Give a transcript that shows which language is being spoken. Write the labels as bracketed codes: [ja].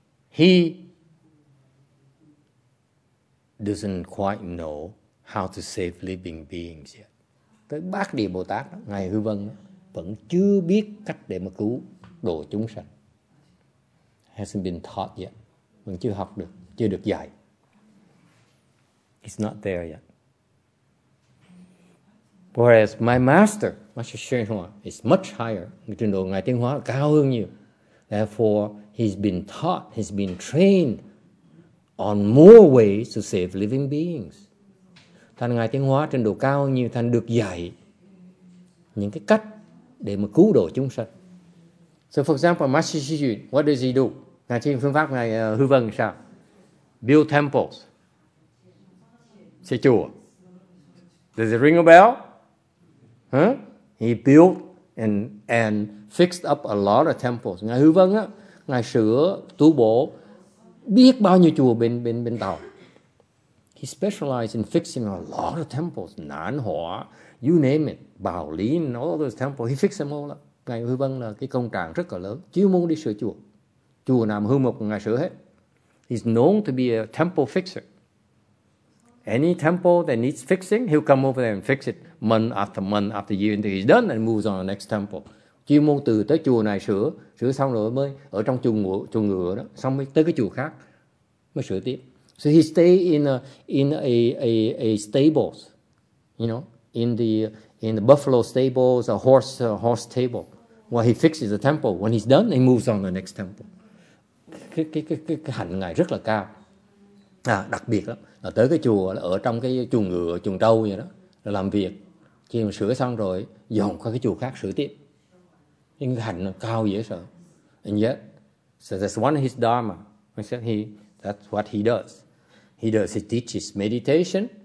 [en] He doesn't quite know how to save living beings yet. [vi] Tới Bát Địa Bồ Tát, Ngài Hư Vân vẫn chưa biết cách để mà cứu độ chúng sanh. [en] Hasn't been taught yet. [vi] Vẫn chưa học được, chưa được dạy. [en] It's not there yet. Whereas my master, Master Shen Hua, is much higher. [vi] Trình độ Ngài Tiên Hóa cao hơn nhiều. [en] Therefore, he's been taught, he's been trained on more ways to save living beings. [vi] Thành Ngài Tiên Hóa trình độ cao hơn nhiều, thành được dạy những cái cách để mà cứu độ chúng sanh. [en] So for example, Master Shi Yun, what does he do? [vi] Ngài trình phương pháp Ngài Hư Vân sao? [en] Build temples. [vi] Xây chùa. [en] Does it ring a bell? Huh? He built and fixed up a lot of temples. [vi] Ngài Hư Vân á, Ngài sửa tu bổ biết bao nhiêu chùa bên Tàu. [en] He specialized in fixing a lot of temples. Nán Hỏa, you name it, Bảo Lín, all those temples. He fixed them all up. [vi] Ngài Hư Vân là cái công trạng rất là lớn. Chuyên môn đi sửa chùa. Chùa nào hư mục Ngài sửa hết. [en] He's known to be a temple fixer. Any temple that needs fixing, he'll come over there and fix it month after year until he's done and moves on to the next temple. [vi] Chuyên môn từ tới chùa này sửa xong rồi mới ở trong chùa ngựa đó, xong mới tới cái chùa khác mới sửa tiếp. [en] So he stay in a stables, you know, in the buffalo stables, a horse stable, where he fixes the temple. When he's done, he moves on to the next temple. [vi] Cái hạnh ngài rất là cao. À, đặc biệt lắm. Là tới cái chùa, là ở trong cái chuồng ngựa, chuồng trâu vậy đó, là làm việc. Khi mà sửa xong rồi, dọn qua cái chùa khác sửa tiếp. Nhưng cái hạnh nó cao dễ sợ. [en] And yet, so that's one of his dharma. He said that's what he does. He teaches meditation,